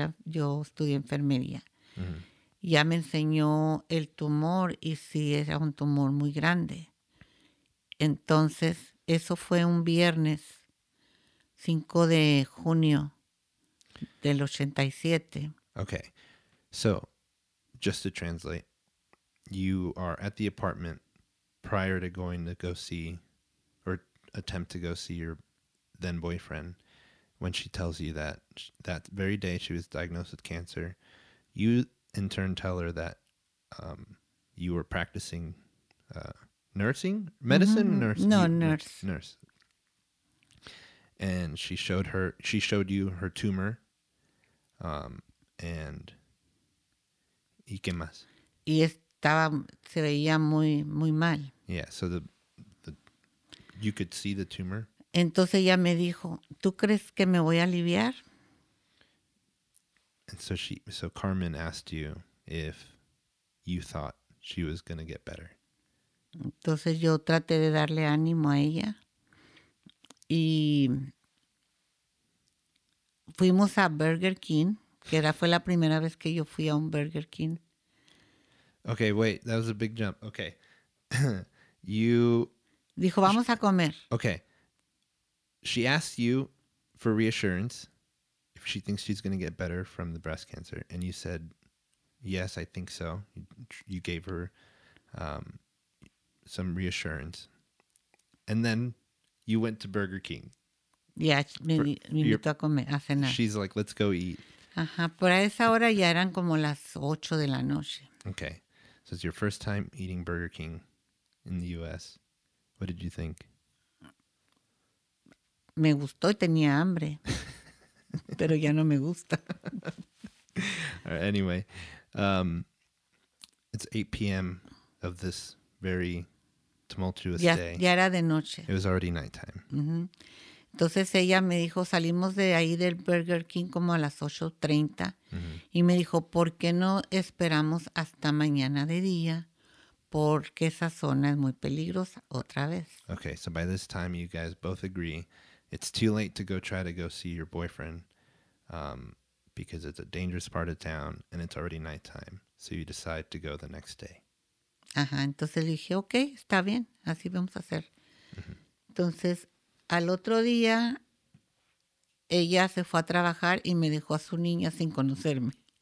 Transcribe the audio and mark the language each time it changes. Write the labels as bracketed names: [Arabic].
[Spanish] Yo estudié enfermería. Ya me enseñó el tumor y sí, era un tumor muy grande. Entonces, eso fue un viernes, 5 de junio del 87. [English] Okay. So, just to translate, you are at the apartment prior to going to go see or attempt to go see your then boyfriend when she tells you that that very day she was diagnosed with cancer. You in turn tell her that you were practicing nursing? Medicine? Nurse. And she showed you her tumor. And [Spanish] ¿y qué más? Y estaba, se veía muy, muy mal. [English] Yeah, so the you could see the tumor. [Spanish] Entonces ella me dijo, ¿tú crees que me voy a aliviar? [English] And so Carmen asked you if you thought she was going to get better. [Spanish] Entonces yo traté de darle ánimo a ella. Y fuimos a Burger King, que era fue la primera vez que yo fui a un Burger King. [English] Okay, wait, that was a big jump. Okay. You... [Spanish] Dijo, vamos a comer. [English] Okay. She asked you for reassurance if she thinks she's going to get better from the breast cancer. And you said, yes, I think so. You gave her some reassurance. And then you went to Burger King. [Spanish] Yeah, me invitó a comer, a cenar. [English] She's like, let's go eat. [Spanish] Ajá, pero a esa hora ya eran como las 8 de la noche. [English] Okay, so it's your first time eating Burger King in the U.S. What did you think? Me gustó y tenía hambre, pero ya no me gusta. All right, anyway, it's 8 p.m. of this very tumultuous [Spanish] ya, [English] day. [Spanish] Ya era de noche. [English] It was already nighttime. [Spanish] Entonces ella me dijo, salimos de ahí del Burger King como a las 8:30. Y me dijo, ¿por qué no esperamos hasta mañana de día? Porque esa zona es muy peligrosa otra vez. [English] Okay, so by this time you guys both agree it's too late to go try to go see your boyfriend because it's a dangerous part of town and it's already nighttime. So you decide to go the next day. [Spanish] Ajá, entonces dije, okay, está bien, así vamos a hacer. Entonces, al otro día, ella se fue a trabajar y me dejó a su niña sin conocerme.